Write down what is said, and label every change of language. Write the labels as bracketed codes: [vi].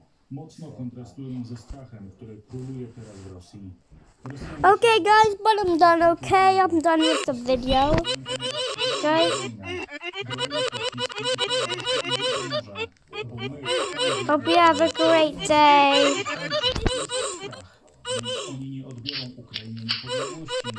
[pl] Mocno kontrastują ze strachem, który króluje teraz w Rosji. [en] Okay guys, but I'm done, okay? I'm done with the video. Guys. Hope you have a great day. [pl] Oni nie odbiorą Ukrainy niepodległości.